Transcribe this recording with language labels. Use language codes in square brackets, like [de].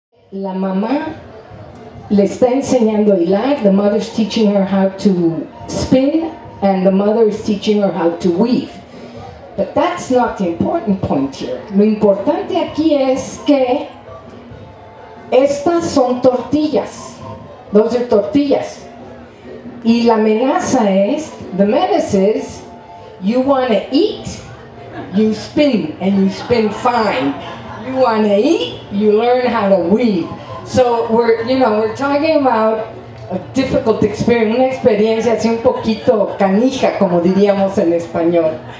[es] La mamá le está enseñando a hilar, [en] the mother's teaching her how to spin, and the mother is teaching her how to weave. But that's not the important point here. [es] Lo importante aquí es que estas son tortillas. [en] Those are tortillas. [es] Y la amenaza es, [en] the menace is, you want to eat, you spin, and you spin fine. You want to eat, you learn how to weave. So we're talking about a difficult experience, [es] una experiencia así un poquito canija, como diríamos en español.